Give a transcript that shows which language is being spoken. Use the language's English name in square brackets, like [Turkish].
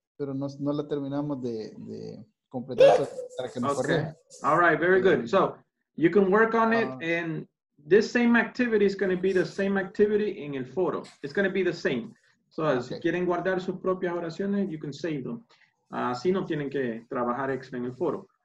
[Spanish] pero no la terminamos de completar para que mejore. [English] Okay. All right, very good. So you can work on it, and this same activity is going to be the same activity in el foro. It's going to be the same. So okay. [Spanish] Si quieren guardar sus propias oraciones, [English] you can save them. [Spanish] Así no tienen que trabajar extra en el foro.